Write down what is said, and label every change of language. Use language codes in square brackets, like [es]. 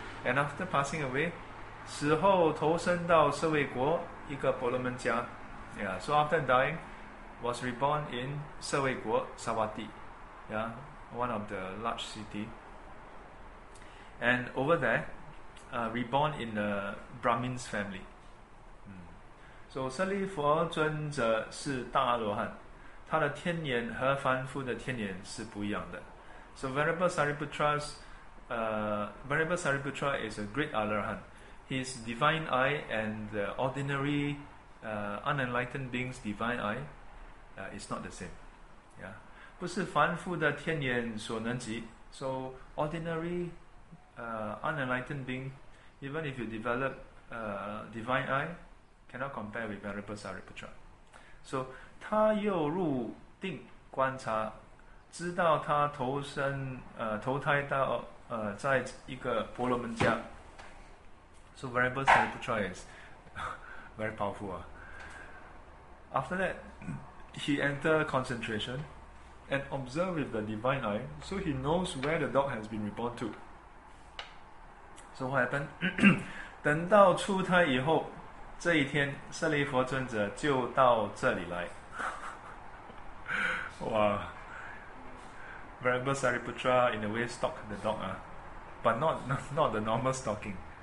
[en] And after passing away, [zh] 死后投生到舍卫国一个婆罗门家, [en] so after dying, was reborn in 舍卫国, Sawati, one of the large city. And over there, reborn in a Brahmin's family. [zh] So 舍利弗尊者是大罗汉，他的天眼和凡夫的天眼是不一样的. [en] So Venerable Sariputra is a great Arahant. His divine eye and the ordinary unenlightened being's divine eye is not the same. Yeah. [zh] 不是凡夫的天眼所能及. [en] So ordinary unenlightened being, even if you develop divine eye, cannot compare with Venerable Sariputra. [zh] So 他又入定观察，知道他投胎到在一个婆罗门家。 [en] So Venerable Sariputra is very powerful. After that, he enter concentration and observe with the divine eye, so he knows where the dog has been reborn to. So what happened? [zh] 等到出胎以后, 这一天, 舍利弗尊者就到这里来, [en] Wow. Venerable Sariputra in a way stalk the dog, but not the normal stalking.